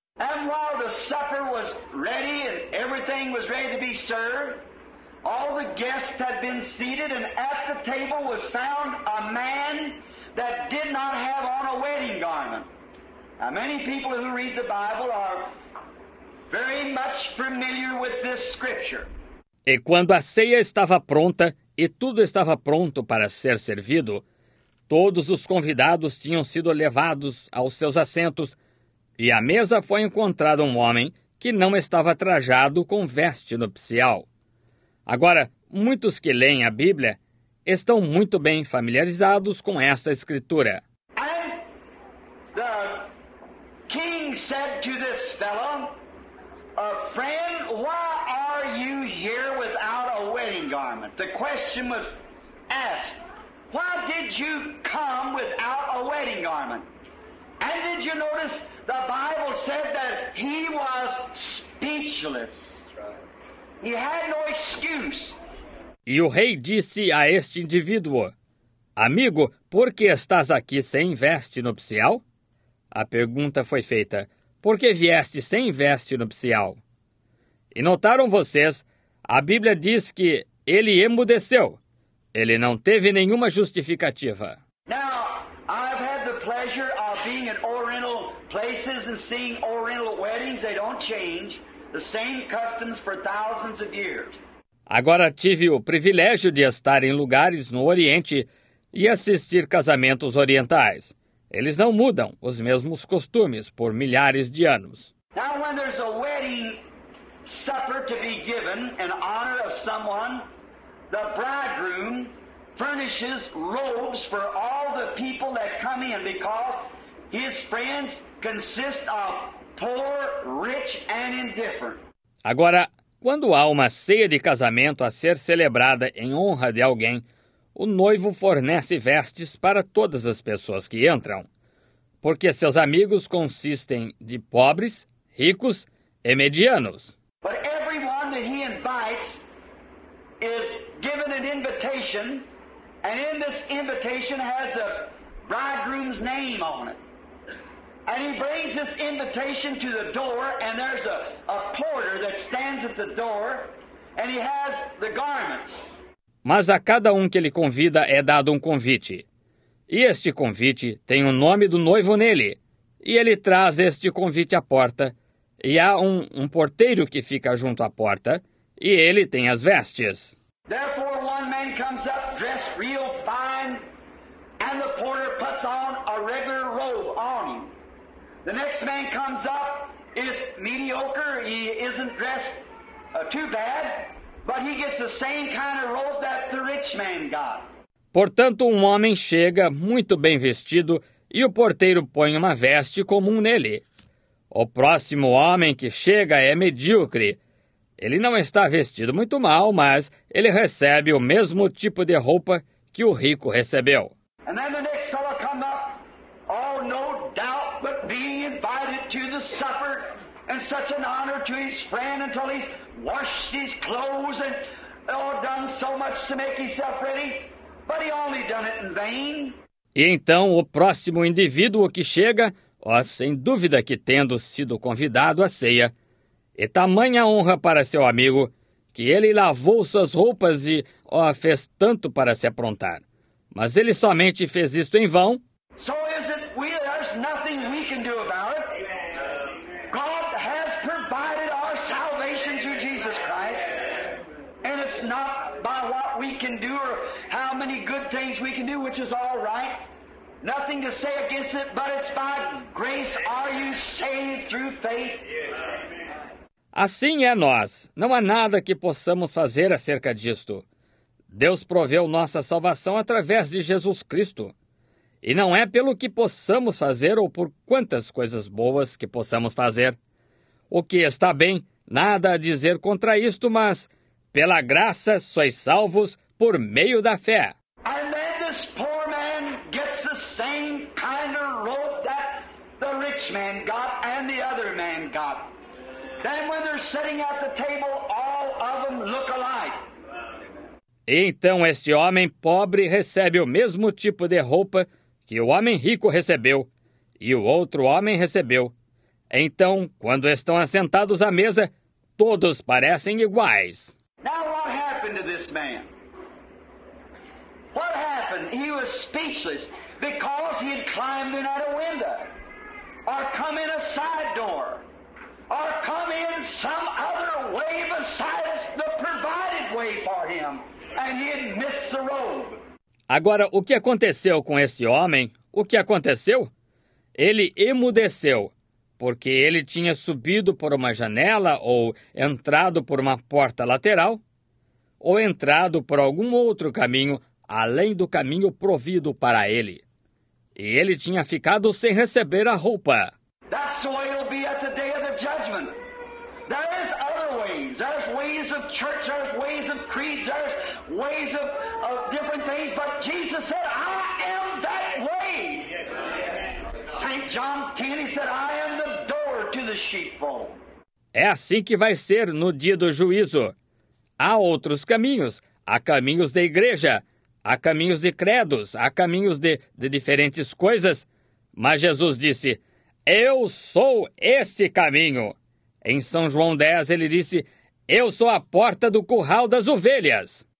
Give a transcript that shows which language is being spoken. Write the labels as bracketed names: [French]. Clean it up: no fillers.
[English] And while the supper was ready and everything was ready to be served, all the guests had been seated and at the table was found a man that did not have on a wedding garment. Now, many people who read the Bible are very much familiar with this scripture. [Portuguese] E quando a ceia estava pronta e tudo estava pronto para ser servido, todos os convidados tinham sido levados aos seus assentos e à mesa foi encontrado um homem que não estava trajado com veste nupcial. Agora, muitos que leem a Bíblia estão muito bem familiarizados com esta escritura. [English] And the king said to this fellow, a friend, why are you here without a wedding garment? The question was asked, why did you come without a wedding garment? And did you notice the Bible said that he was speechless? He had no excuse. [Portuguese] E o rei disse a este indivíduo, amigo, por que estás aqui sem veste nupcial? A pergunta foi feita, por que vieste sem veste nupcial? E notaram vocês, a Bíblia diz que ele emudeceu. Ele não teve nenhuma justificativa. [English] Now, I've had the pleasure of being at Oriental places and seeing Oriental weddings. They don't change. The same customs for thousands of years. [Portuguese] Agora tive o privilégio de estar em lugares no Oriente e assistir casamentos orientais. Eles não mudam os mesmos costumes por milhares de anos. [English] Now, when there's a wedding supper to be given in honor of someone, the bridegroom furnishes robes for all the people that come in because his friends consist of poor, rich and indifferent. [Portuguese] Agora, quando há uma ceia de casamento a ser celebrada em honra de alguém, o noivo fornece vestes para todas as pessoas que entram, porque seus amigos consistem de pobres, ricos e medianos. [English] But everyone that he invites is given an invitation, and in this invitation has a bridegroom's name on it. And he brings this invitation to the door, and there's a porter that stands at the door, and he has the garments. [Portuguese] Mas a cada um que ele convida é dado um convite. E este convite tem o nome do noivo nele. E ele traz este convite à porta. E há um porteiro que fica junto à porta, e ele tem as vestes. [English] Therefore, one man comes up dressed real fine, and the porter puts on a regular robe on him. The next man comes up, is mediocre, he isn't dressed too bad, but he gets the same kind of robe that the rich man got. [Portuguese] Portanto, um homem chega muito bem vestido e o porteiro põe uma veste comum nele. O próximo homem que chega é medíocre. Ele não está vestido muito mal, mas ele recebe o mesmo tipo de roupa que o rico recebeu. [English] And then the next fellow come up, oh, no doubt but being invited to the supper and such an honor to his friend until he's washed his clothes and all done so much to make himself ready. But he only done it in vain. [Portuguese] E então o próximo indivíduo que chega, ó, sem dúvida que tendo sido convidado à ceia, e tamanha honra para seu amigo, que ele lavou suas roupas e, ó, fez tanto para se aprontar. Mas ele somente fez isto em vão. [English] So is it we, there's nothing we can do about it. God has provided our salvation through Jesus Christ. And it's not by what we can do or how many good things we can do, which is all right. Nothing to say against it, but it's by grace are you saved through faith. [Portuguese] Assim é nós. Não há nada que possamos fazer acerca disto. Deus proveu nossa salvação através de Jesus Cristo. E não é pelo que possamos fazer ou por quantas coisas boas que possamos fazer. O que está bem, nada a dizer contra isto, mas pela graça sois salvos por meio da fé. [English] And then this poor man gets the same kind of rope that the rich man got and the other man got. Then when they're sitting at the table, all of them look alike. [Portuguese] Então este homem pobre recebe o mesmo tipo de roupa que o homem rico recebeu e o outro homem recebeu. Então, quando estão assentados à mesa, todos parecem iguais. [English] Now what happened to this man? What happened? He was speechless because he had climbed in at a window or come in a side door or come in some other way besides the provided way for him. And he had missed the robe. [Portuguese] Agora, o que aconteceu com esse homem? O que aconteceu? Ele emudeceu, porque ele tinha subido por uma janela ou entrado por uma porta lateral, ou entrado por algum outro caminho, além do caminho provido para ele. E ele tinha ficado sem receber a roupa. [English] That's the way it'll be at the day of the judgment. There is other ways. There's ways of church, there's ways of creeds, there's ways of different things. But Jesus said, I am that way. St. John 10, he said, I am the door to the sheepfold. [Portuguese] É assim que vai ser no dia do juízo. Há outros caminhos. Há caminhos de igreja. Há caminhos de credos. Há caminhos de diferentes coisas. Mas Jesus disse, eu sou esse caminho. Em São João 10, ele disse, eu sou a porta do curral das ovelhas.